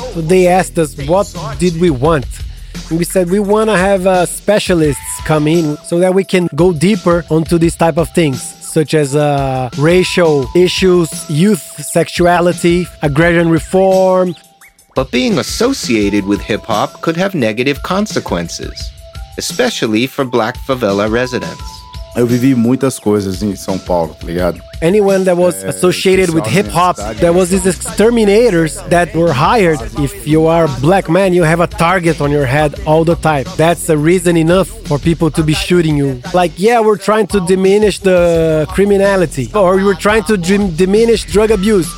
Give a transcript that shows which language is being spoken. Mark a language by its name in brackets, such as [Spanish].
[English] So they asked us, what did we want? And we said, we want to have specialists come in so that we can go deeper onto these type of things, such as racial issues, youth sexuality, aggression reform. But being associated with hip-hop could have negative consequences, especially for black favela residents. [Portuguese] Eu vivi muitas coisas em São Paulo, tá ligado? [English] Anyone that was associated with hip-hop, there was these exterminators that were hired. If you are a black man, you have a target on your head all the time. That's a reason enough for people to be shooting you. Like, yeah, we're trying to diminish the criminality, or we're trying to diminish drug abuse.